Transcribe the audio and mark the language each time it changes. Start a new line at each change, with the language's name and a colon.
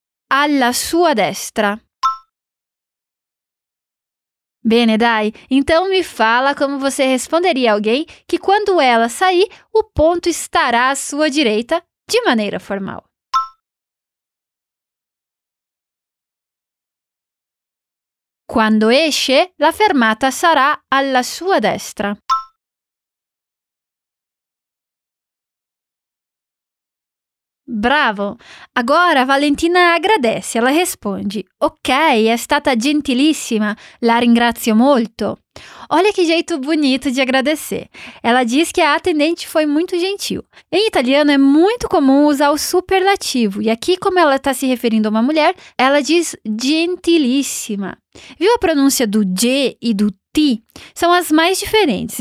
Italian: Alla sua destra. Bene, dai.
Portuguese: Então, me fala como você responderia alguém que quando ela sair, o ponto estará à sua direita, de maneira formal.
Italian: Quando esce, la fermata sarà alla sua destra.
Portuguese: Bravo! Agora Valentina agradece, ela responde.
Italian: Ok, è stata gentilissima, la ringrazio molto.
Portuguese: Olha que jeito bonito de agradecer. Ela diz que a atendente foi muito gentil. Em italiano é muito comum usar o superlativo. E aqui, como ela está se referindo a uma mulher, ela diz gentilíssima. Viu a pronúncia do G e do T? São as mais diferentes.